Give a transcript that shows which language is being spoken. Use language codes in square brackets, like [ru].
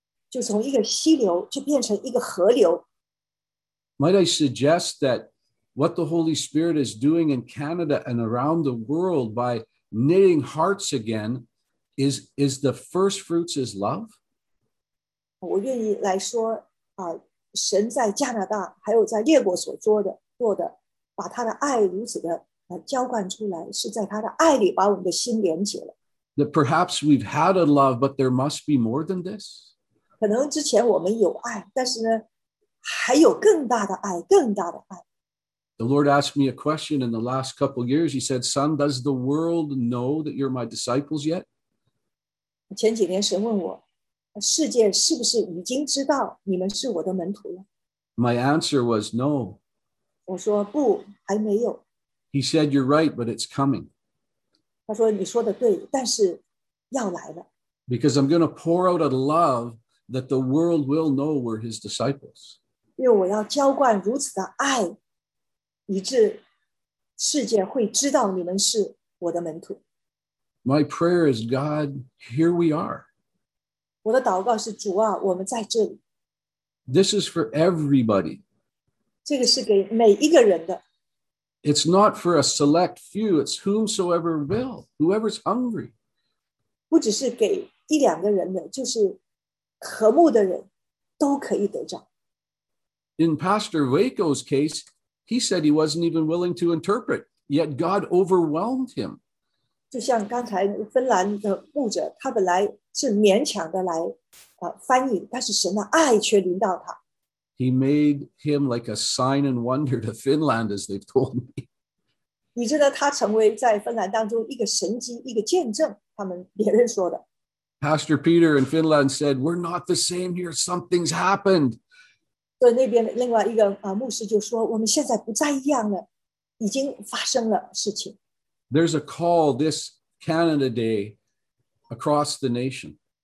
[zh] 就从一个溪流就变成一个河流。 [en] Might I suggest that what the Holy Spirit is doing in Canada and around the world by knitting hearts again is the first fruits is love? [zh] 我愿意来说啊，神在加拿大还有在列国所做的，把他的爱如此的浇灌出来，是在他的爱里把我们的心连接了。 [en] That perhaps we've had a love, but there must be more than this. [zh] 可能之前我们有爱，但是呢，还有更大的爱，更大的爱。 [en] The Lord asked me a question in the last couple of years. He said, "Son, does the world know that you're my disciples yet?" [zh] 前几年神问我，世界是不是已经知道你们是我的门徒了？ [en] My answer was no. [zh] 我说不，还没有。 [en] He said, "You're right, but it's coming." [zh] 他说你说的对，但是要来了。 [en] Because I'm going to pour out a love. That the world will know we're his disciples. [zh] 因为我要浇灌如此的爱，以致世界会知道你们是我的门徒。 [en] My prayer is, God, here we are. [zh] 我的祷告是主啊，我们在这里。 [en] This is for everybody. [zh] 这个是给每一个人的。 [en] It's not for a select few. It's whomsoever will, whoever's hungry. [zh] 不只是给一两个人的，就是。和睦的人都可以得着。 [en] In Pastor Waco's case, he said he wasn't even willing to interpret, yet God overwhelmed him. [zh] 就像刚才芬兰的牧者，他本来是勉强的来翻译，但是神的爱却临到他。 [en] He made him like a sign and wonder to Finland, as they've told me. [zh] 你知道他成为在芬兰当中一个神迹，一个见证，他们别人说的。 [en] Pastor Peter in Finland said, "We're not the same here. Something's happened." [zh] 对那边另外一个牧师就说，我们现在不再一样了，已经发生了事情。 [en] There's a call this Canada Day across the nation.